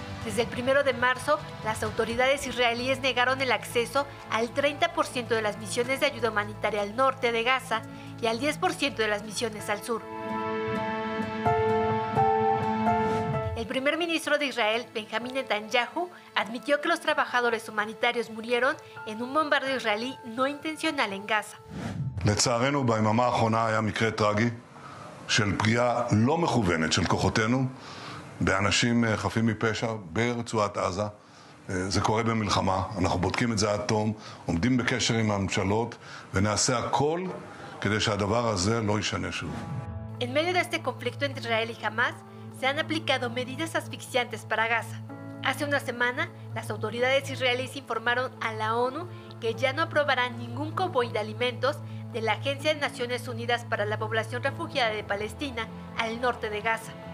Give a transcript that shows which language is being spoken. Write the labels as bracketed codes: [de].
[es] Desde el 1 de marzo, las autoridades israelíes negaron el acceso al 30% de las misiones de ayuda humanitaria al norte de Gaza y al 10% de las misiones al sur. primer ministro de Israel, Benjamín Netanyahu, admitió que los trabajadores humanitarios murieron en un bombardeo israelí no intencional en Gaza. [he] לצערנו, ביממה האחרונה היה מקרה טרגי של פגיעה לא מכוונת של כוחותינו באנשים חפים מפשע ברצועת עזה. זה קורה במלחמה, אנחנו בודקים את זה עד תום, עומדים בקשר עם הממשלות ונעשה הכל כדי שהדבר הזה לא ישנה שוב. [es] En medio de este conflicto entre Israel y Hamas, se han aplicado medidas asfixiantes para Gaza. Hace una semana, las autoridades israelíes informaron a la ONU que ya no aprobarán ningún convoy de alimentos de la Agencia de Naciones Unidas para la Población Refugiada de Palestina al norte de Gaza.